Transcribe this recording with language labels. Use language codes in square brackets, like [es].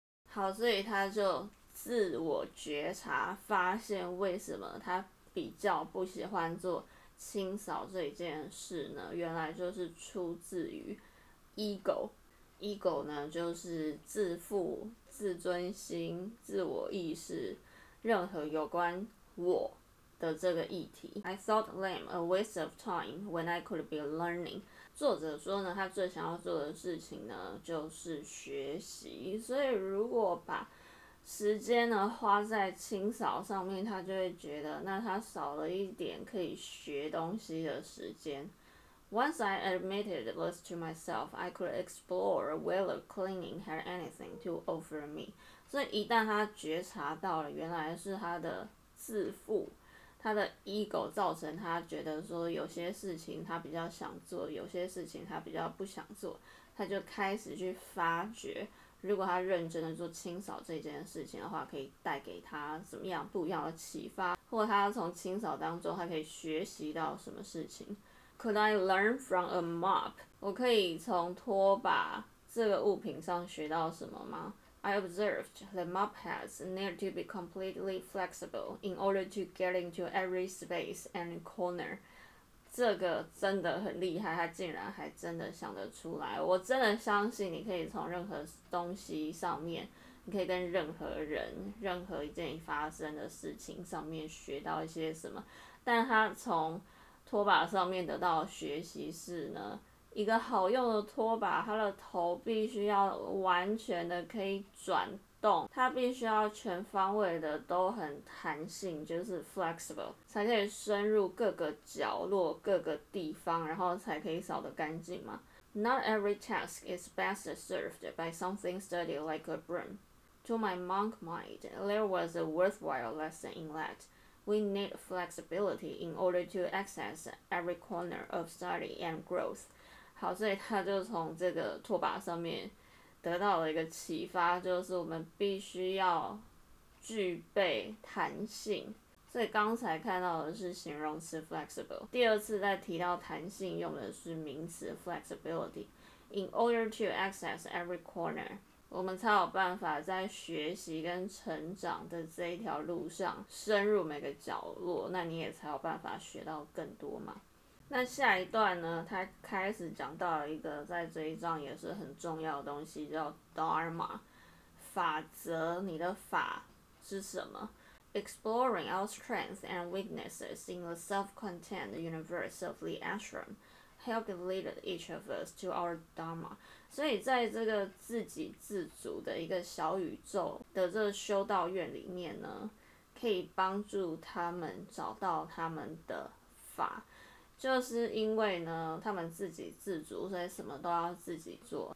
[zh] 好，所以他就自我觉察，发现为什么他比较不喜欢做清扫这一件事呢，原来就是出自于 ego。 ego 呢就是自负、自尊心、自我意识，任何有关我的这个议题。 [en] I thought lame a waste of time when I could be learning。 [zh] 作者说呢，他最想要做的事情呢就是学习，所以如果把时间呢花在清扫上面，他就会觉得那他少了一点可以学东西的时间。 [en] Once I admitted this to myself, I could explore whether cleaning had anything to offer me. [zh] 所以一旦他觉察到了原来是他的自负，他的 ego 造成他觉得说有些事情他比较想做，有些事情他比较不想做，他就开始去发觉如果他认真的做清扫这件事情的话，可以带给他什么样不一样的启发，或他从清扫当中他可以学习到什么事情。 [en] Could I learn from a mop? [zh] 我可以从拖把这个物品上学到什么吗？ [en] I observed the mop heads need to be completely flexible in order to get into every space and corner. [zh] 这个真的很厉害，他竟然还真的想得出来。我真的相信你可以从任何东西上面，你可以跟任何人、任何一件发生的事情上面学到一些什么。但他从拖把上面得到的学习是呢，一个好用的拖把，它的头必须要完全的可以转动，它必须要全方位的都很弹性，就是 flexible， 才可以深入各个角落、各个地方，然后才可以扫得干净嘛。 [en] Not every task is best served by something sturdy like a broom. To my monk mind, there was a worthwhile lesson in that. We need flexibility in order to access every corner of study and growth. [zh] 好，所以他就从这个拖把上面得到了一个启发，就是我们必须要具备弹性。所以刚才看到的是形容词 flexible， 第二次在提到弹性用的是名词 flexibility。 [en] In order to access every corner， [zh] 我们才有办法在学习跟成长的这一条路上深入每个角落，那你也才有办法学到更多嘛。那下一段呢，他开始讲到了一个在这一章也是很重要的东西，叫 Dharma， 法则，你的法是什么？ [en] Exploring our strengths and weaknesses in the self-contained universe of the ashram helped lead each of us to our Dharma。 [zh] 所以在这个自给自足的一个小宇宙的这个修道院里面呢，可以帮助他们找到他们的法，就是因为呢他们自给自足，所以什么都要自己做。